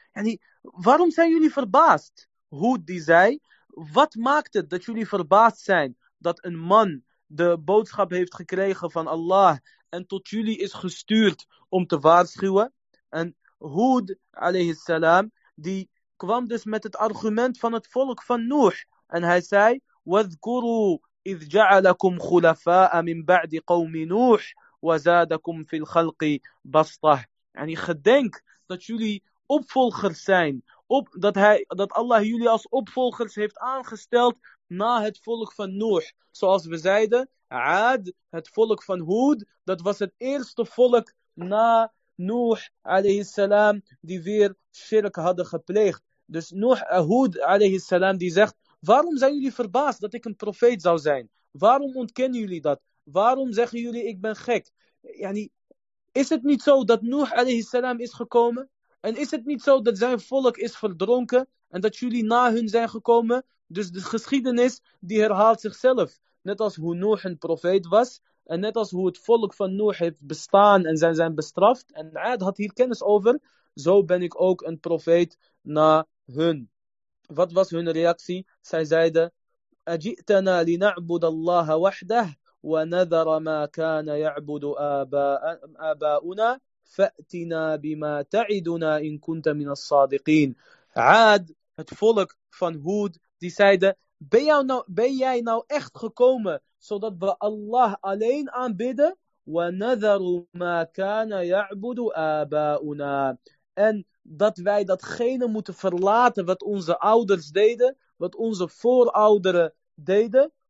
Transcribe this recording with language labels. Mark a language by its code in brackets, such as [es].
[nl] Yani, waarom zijn jullie verbaasd? Hud die zei, wat maakt het dat jullie verbaasd zijn dat een man de boodschap heeft gekregen van Allah en tot jullie is gestuurd om te waarschuwen? En Hud alayhi salam, die kwam dus met het argument van het volk van Nuh. En hij zei, [ar] وَذْكُرُوا إِذْ جَعَلَكُمْ خُلَفَاءَ مِنْ بَعْدِ قَوْمِ نُوحٍ وَزَادَكُمْ فِي الْخَلْقِ بَسْطَةً. [nl] En gedenk dat jullie opvolgers zijn. Dat Allah jullie als opvolgers heeft aangesteld na het volk van Nuh. Zoals we zeiden, Aad, het volk van Hud, dat was het eerste volk na Nuh alayhi salam die weer shirk hadden gepleegd. Dus Nuh Hud alayhi salam die zegt, waarom zijn jullie verbaasd dat ik een profeet zou zijn? Waarom ontkennen jullie dat? Waarom zeggen jullie ik ben gek? Yani, is het niet zo dat Nuh alayhi salam is gekomen? En is het niet zo dat zijn volk is verdronken en dat jullie na hun zijn gekomen? Dus de geschiedenis die herhaalt zichzelf. Net als hoe Nuh een profeet was. En net als hoe het volk van Nuh heeft bestaan en zijn bestraft. En Aad had hier kennis over. Zo ben ik ook een profeet na hun. Wat was hun reactie? Zij zeiden, [ar] أَجِئْتَنَا لِنَعْبُدَ اللَّهَ وَحْدَهُ وَنَذَرَ مَا كَانَ يَعْبُدُ آبَاؤُنَا فأتنا بما تعدنا إن كنت من الصادقين. [nl] عاد, het volk van Hud, die zeiden, ben jij nou echt gekomen zodat we Allah alleen aanbidden? [ar] وَنَذَرُ مَا كَانَ يَعْبُدُ آبَاؤُنَا. [nl] En dat wij datgene moeten verlaten wat onze ouders deden, wat onze voorouderen deden.